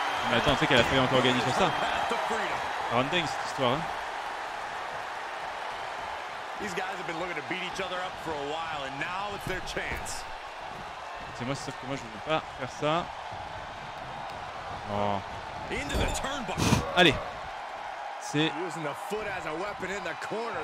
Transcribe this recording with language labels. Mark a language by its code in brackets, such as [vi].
[fr] Mais attends, tu sais qu'elle a failli encore gagner sur ça. Run dingue cette histoire, hein. [en] These guys have been looking to beat each other up for a while and now it's their chance. [fr] C'est moi, sauf que moi je veux pas faire ça. [en] Oh. Into the turnbuckle. Allez. C'est using the foot as a weapon in the corner.